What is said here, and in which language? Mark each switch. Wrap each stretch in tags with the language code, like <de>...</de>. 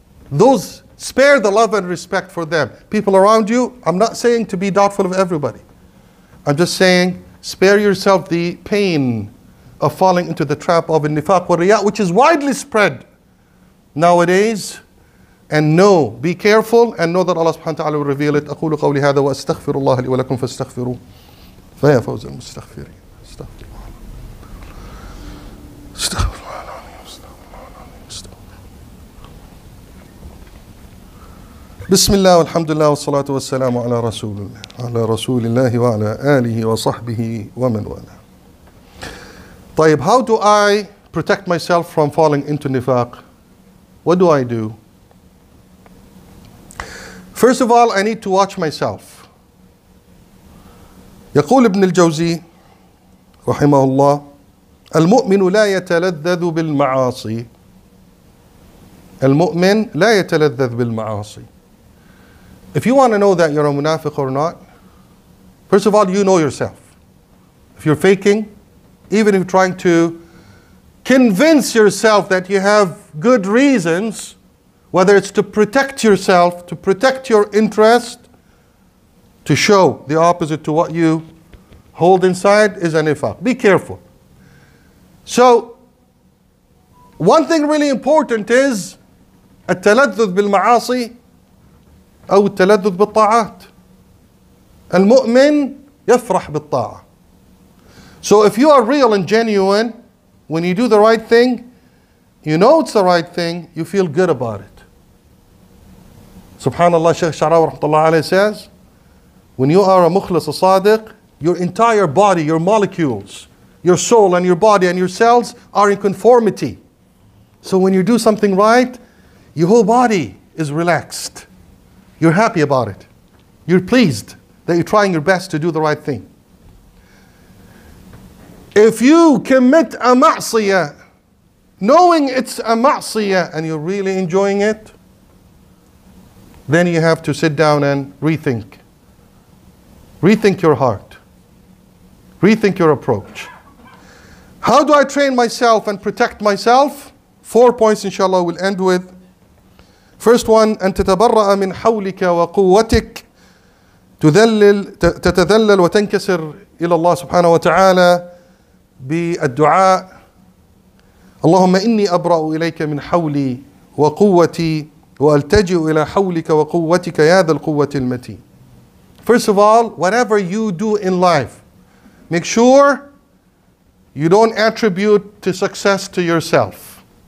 <en>Those, spare the love and respect for them. People around you, I'm not saying to be doubtful of everybody. I'm just saying, spare yourself the pain of falling into the trap of al-nifaq wal-riya, which is widely spread nowadays. And know, be careful, and know that Allah subhanahu wa ta'ala will reveal it.</en> <ar>أقول قولي هذا وأستغفر الله لي ولكم فاستغفروا فيا فوز المستغفرين. بسم الله والحمد لله والصلاة والسلام على رسول الله وعلى آله وصحبه ومن والاه.</ar> <en>طيب, how do I protect myself from falling into nifaq? What do I do? First of all, I need to watch myself.</en> <ar>يقول ابن الجوزي رحمه الله المؤمن لا يتلذذ بالمعاصي. المؤمن لا يتلذذ بالمعاصي.</ar> <en>If you want to know that you're a munafiq or not, first of all, you know yourself. If you're faking, even if you're trying to convince yourself that you have good reasons, whether it's to protect yourself, to protect your interest, to show the opposite to what you hold inside, is an ifaq. Be careful. So, one thing really important is</en> <ar>التلذذ بالمعاصي أو التلذذ بالطاعات. المؤمن يفرح بالطاعة.</ar> <en>So if you are real and genuine, when you do the right thing, you know it's the right thing, you feel good about it. Subhanallah, Shaykh Sharawi rahmatullah alayhi says, when you are a mukhlis, a sadiq, your entire body, your molecules, your soul and your body and your cells are in conformity. So when you do something right, your whole body is relaxed. You're happy about it. You're pleased that you're trying your best to do the right thing. If you commit a ma'asiyah, knowing it's a ma'asiyah and you're really enjoying it, then you have to sit down and rethink. Rethink your heart. Rethink your approach. How do I train myself and protect myself? 4 points, inshallah, we'll end with. First one,</en> <ar>أن تتبرأ من حولك وقوتك تتذلل وتنكسر إلى الله سبحانه وتعالى بالدعاء. اللهم إني أبرأ إليك من حولي وقوتي وألتجئ إلى حولك وقوتك يا ذا القوة المتين.</ar> <en>First of all, whatever you do in life, make sure you don't attribute to success to yourself.</en>